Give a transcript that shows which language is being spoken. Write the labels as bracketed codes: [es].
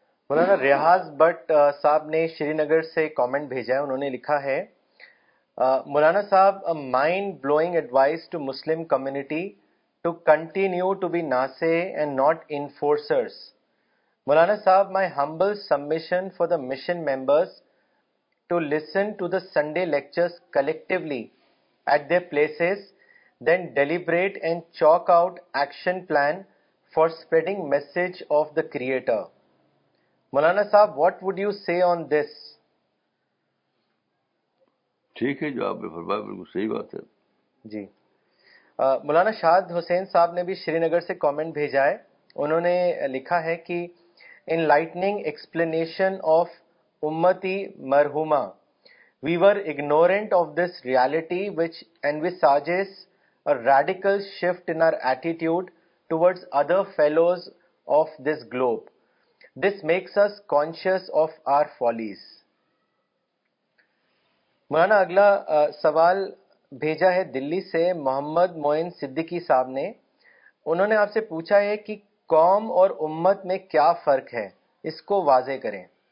[ur] مولانا ریاض but صاحب نے شری نگر سے کامنٹ بھیجا ہے, انہوں نے لکھا ہے, مولانا صاحب [en] Mind blowing advice to Muslim community to continue to be ناسے and not enforcers. مولانا صاحب my humble submission for the mission members to listen to the Sunday lectures collectively at their places then deliberate and chalk out action plan for spreading message of the creator. مولانا صاحب what would you say on this? [ur] ٹھیک ہے جو آپ نے فرمایا بالکل صحیح بات ہے جی. مولانا شاد حسین صاحب نے بھی شری نگر سے کامنٹ بھیجا ہے, انہوں نے لکھا ہے کہ [en] Enlightening explanation of امتی مرحوما we are ignorant of this reality which envisages radical shift in our attitude towards other fellows of this globe. This makes us conscious of our follies. [ur] مولانا اگلا سوال بھیجا ہے دلی سے محمد معین صدیقی صاحب نے, انہوں نے آپ سے پوچھا ہے کہ قوم اور امت میں کیا فرق ہے, اس کو واضح کریں.